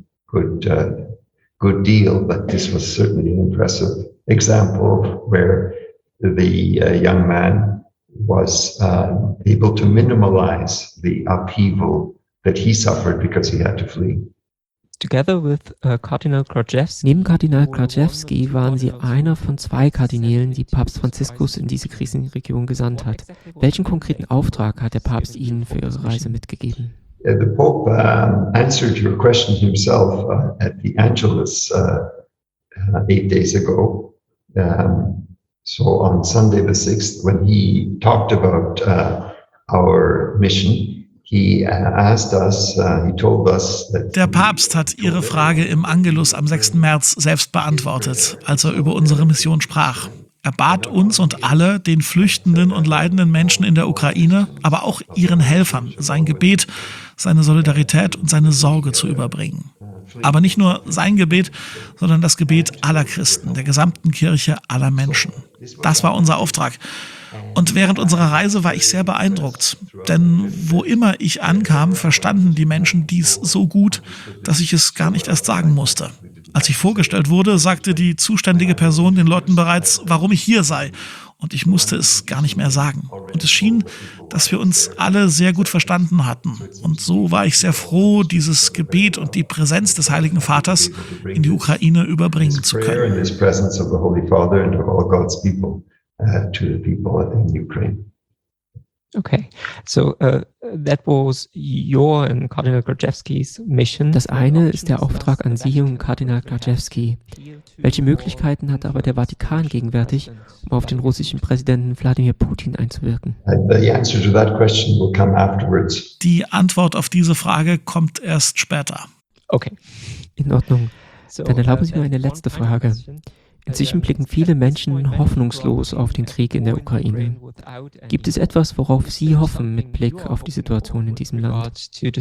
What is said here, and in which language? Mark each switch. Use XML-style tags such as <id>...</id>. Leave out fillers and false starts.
<en>Good deal, but this was certainly an impressive example where the young man was able to minimize the upheaval that he suffered because he had to flee. Together with Cardinal Krajewski.</en> <de>Neben Kardinal Krajewski waren Sie einer von zwei Kardinälen, die Papst Franziskus in diese Krisenregion gesandt hat. Welchen konkreten Auftrag hat der Papst Ihnen für Ihre Reise mitgegeben?</de> <en>The Pope answered your question himself at the Angelus 8 days ago. So on Sunday the 6th, when he talked about our mission, he asked us, he told us that...</en> <de>Der Papst hat Ihre Frage im Angelus am 6. März selbst beantwortet, als er über unsere Mission sprach. Er bat uns und alle, den flüchtenden und leidenden Menschen in der Ukraine, aber auch ihren Helfern, sein Gebet, seine Solidarität und seine Sorge zu überbringen. Aber nicht nur sein Gebet, sondern das Gebet aller Christen, der gesamten Kirche, aller Menschen. Das war unser Auftrag. Und während unserer Reise war ich sehr beeindruckt. Denn wo immer ich ankam, verstanden die Menschen dies so gut, dass ich es gar nicht erst sagen musste. Als ich vorgestellt wurde, sagte die zuständige Person den Leuten bereits, warum ich hier sei. Und ich musste es gar nicht mehr sagen. Und es schien, dass wir uns alle sehr gut verstanden hatten. Und so war ich sehr froh, dieses Gebet und die Präsenz des Heiligen Vaters in die Ukraine überbringen zu können.</de> <en>Holy Father and all God's people to the people in Ukraine. Okay, so that was your and Cardinal Krajewski's mission.</en> <de>Das eine ist der Auftrag an Sie und Kardinal Krajewski. Welche Möglichkeiten hat aber der Vatikan gegenwärtig, um auf den russischen Präsidenten Wladimir Putin einzuwirken?</de> <en>The answer to that question will come afterwards.</en> <de>Die Antwort auf diese Frage kommt erst später.</de> <en>Okay,</en> <de>in Ordnung. Dann erlauben Sie mir eine letzte Frage. Inzwischen blicken viele Menschen hoffnungslos auf den Krieg in der Ukraine. Gibt es etwas, worauf Sie hoffen mit Blick auf die Situation in diesem Land?</de>